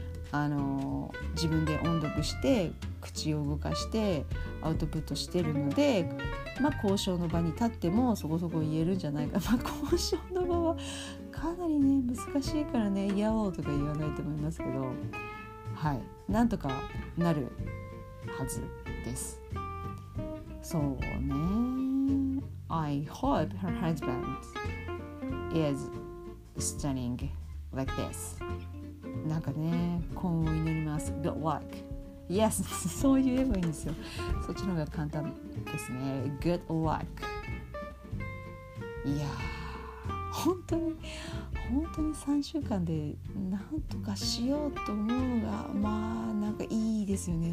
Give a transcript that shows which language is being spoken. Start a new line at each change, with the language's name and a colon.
Japanese: あの自分で音読して口を動かしてアウトプットしてるので、まあ交渉の場に立ってもそこそこ言えるんじゃないか。まあ交渉の場はかなりね難しいからね、やおうとか言わないと思いますけど、はい、なんとかなるはずです。そうね、
English: I hope her husband is stunning like this。
Japanese: なんかね、幸運を祈ります。
English: Good luckYes、
Japanese: そう言えばいいんですよ、そっちの方が簡単ですね。
English: Good luck。
Japanese: いやー、本当に3週間でなんとかしようと思うのが、まあなんかいいですよね。